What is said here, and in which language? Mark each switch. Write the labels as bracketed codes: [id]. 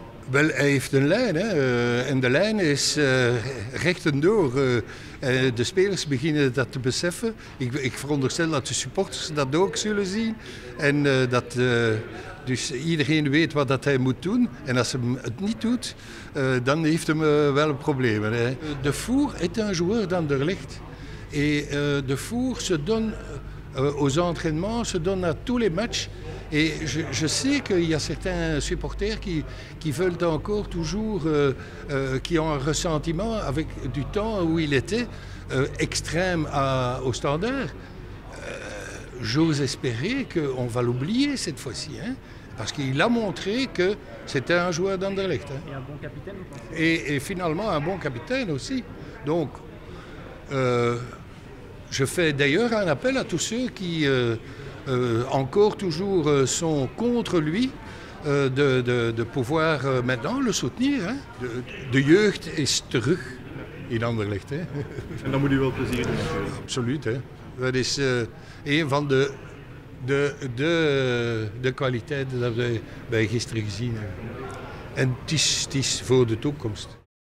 [nl] Wel, hij heeft een lijn. Hè? En de lijn is rechtendoor. De spelers beginnen dat te beseffen. Ik veronderstel dat de supporters dat ook zullen zien. En dat dus iedereen weet wat dat hij moet doen. En als hij het niet doet, dan heeft hij wel problemen. Hè? De Four is een joueur dan er ligt. [fr] En De Four se donne aux entraînements, se donne à tous les matchs. Et je sais qu'il y a certains supporters qui veulent encore toujours, qui ont un ressentiment avec du temps où il était extrême au standard. J'ose espérer qu'on va l'oublier cette fois-ci. Hein, parce qu'il a montré que c'était un joueur d'Anderlecht. Hein. Et un bon capitaine, vous pensez? Et finalement, un bon capitaine aussi. Donc, je fais d'ailleurs un appel à tous ceux qui encore toujours sont contre lui de pouvoir maintenant le soutenir. Hein. [nl] De jeugd is terug in Anderlecht. Hein. En dan moet u wel plezier doen. Absoluut. Hè. Dat is een van de kwaliteiten dat wij gisteren gezien hebben. En het is voor de toekomst.